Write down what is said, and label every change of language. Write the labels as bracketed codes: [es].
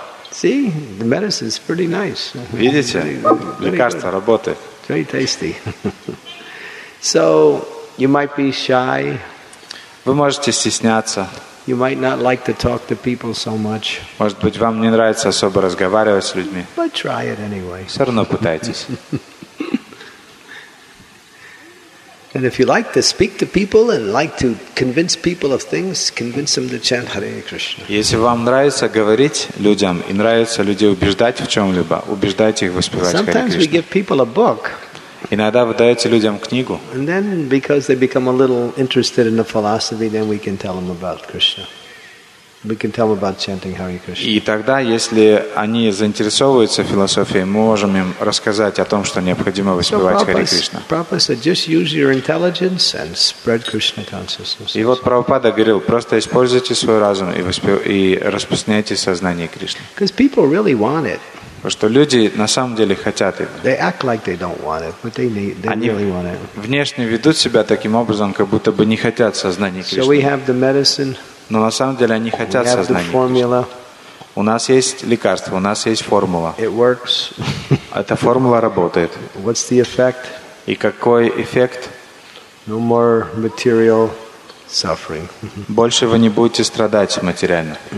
[en] See, the medicine is pretty nice. [ru] Видите, лекарство работает. [en] Very tasty. So you might be shy. [ru] Вы можете стесняться. [en] You might not like to talk to people so much. [ru] Может быть, вам не нравится особо разговаривать с людьми. [en] But try it anyway. [ru] Все равно пытайтесь. [en] And if you like to speak to people and like to convince people of things, convince them to chant Hare Krishna. [ru] Если вам нравится говорить людям и нравится людей убеждать в чем-либо, убеждайте их воспевать Hare Krishna. [en] Sometimes we give people a book. [ru] Иногда вы даете людям книгу. [en] And then, because they become a little interested in the philosophy, then we can tell them about Krishna. We can tell them about chanting Hare Krishna. [ru] И тогда, если они заинтересовываются философией, мы можем им рассказать о том, что необходимо воспевать Hare Krishna. [en] Prabhupada said, just use your intelligence and spread Krishna consciousness. [ru] И вот Прабхупада говорил, просто используйте свой разум и распространяйте сознание Кришны. [en] Because people really want it. [ru] Потому что люди на самом деле хотят это. [en] They act like they don't want it, but they really want it. [ru] Они внешне ведут себя таким образом, как будто бы не хотят сознания Кришны. [en] So we have the medicine. [ru] Но на самом деле они хотят сознания Кришны. У нас есть лекарство, у нас есть формула. [en] It works. [ru] Эта формула работает. [en] What's the effect? [ru] И какой эффект? [en] No more material suffering. [ru] Больше вы не будете страдать материально.